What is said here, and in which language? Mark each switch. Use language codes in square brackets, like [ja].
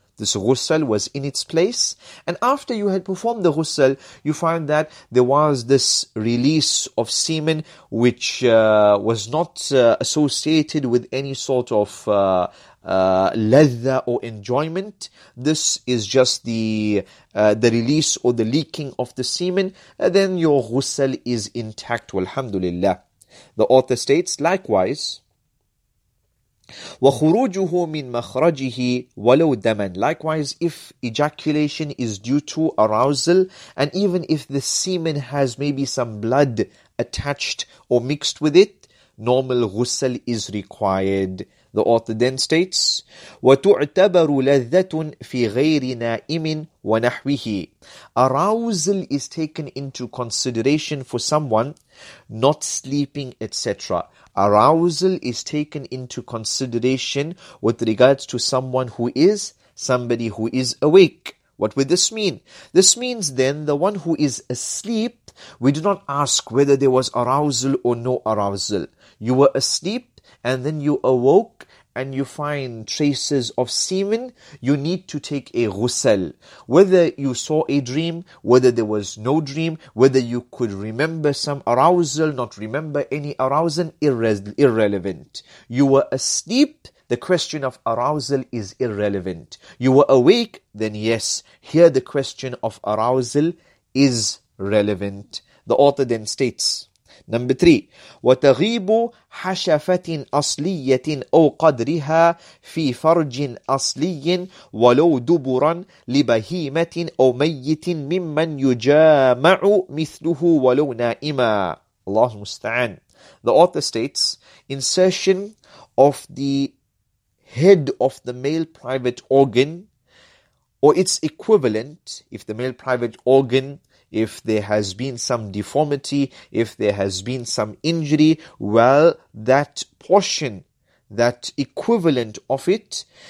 [en] This ghusl was in its place. And after you had performed the ghusl, you find that there was this release of semen which was not associated with any sort of ladha or enjoyment. This is just the release or the leaking of the semen. And then your ghusl is intact. Walhamdulillah. The author states, likewise, [ar] وَخُرُوجُهُ مِنْ مَخْرَجِهِ وَلَوْ دَمًا. [en] Likewise, if ejaculation is due to arousal, and even if the semen has maybe some blood attached or mixed with it, normal ghusl is required. The author then states, [ar] وَتُعْتَبَرُ لَذَّةٌ فِي غَيْرِ نَائِمٍ وَنَحْوِهِ. [en] Arousal is taken into consideration for someone not sleeping, etc. Arousal is taken into consideration with regards to somebody who is awake. What would this mean? This means then the one who is asleep, we do not ask whether there was arousal or no arousal. You were asleep and then you awoke and you find traces of semen, you need to take a ghusl. Whether you saw a dream, whether there was no dream, whether you could remember some arousal, not remember any arousal, irrelevant. You were asleep, the question of arousal is irrelevant. You were awake, then yes, here the question of arousal is relevant. The author then states, Number 3, [ar] وَتَغِيبُ حَشَفَةٍ أَصْلِيَّةٍ أَوْ قَدْرِهَا فِي فَرْجٍ أَصْلِيٍّ وَلَوْ دُبُرًا لِبَهِيمَةٍ أَوْ مَيِّتٍ مِمَّنْ يُجَامَعُ مِثْلُهُ وَلَوْ نَائِمًا. Allah musta'an. [en] The author states, insertion of the head of the male private organ or its equivalent, if the male private organ, if there has been some deformity, if there has been some injury, well, that portion, that equivalent of it,